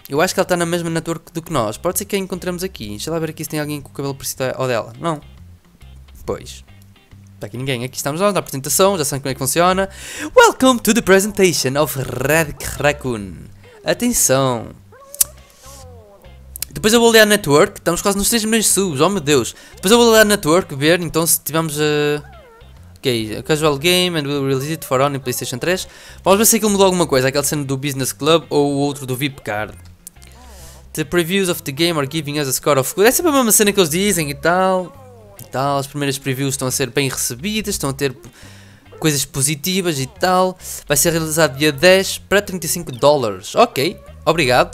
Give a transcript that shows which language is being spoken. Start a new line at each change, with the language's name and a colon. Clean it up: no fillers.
Portuguese: Eu acho que ela está na mesma network do que nós. Pode ser que a encontremos aqui. Deixa lá ver aqui se tem alguém com o cabelo parecido ao dela. Não. Pois. Está aqui ninguém. Aqui estamos nós na apresentação. Já sabem como é que funciona.
English: Welcome to the presentation of Red Raccoon.
Portuguese: Atenção. Depois eu vou olhar a network. Estamos quase nos 3 milhões de subs. Oh meu Deus. Depois eu vou olhar a network. Ver então se tivemos a.
English: Ok, casual game and will release it for only PlayStation 3.
Portuguese: Vamos ver se aquilo mudou alguma coisa, aquela cena do Business Club ou o outro do VIP Card.
English: The previews of the game are giving us a score of good.
Portuguese: É sempre a mesma cena que eles dizem e tal. E tal, as primeiras previews estão a ser bem recebidas, estão a ter coisas positivas e tal. Vai ser realizado dia 10 para 35 dólares. Ok, obrigado.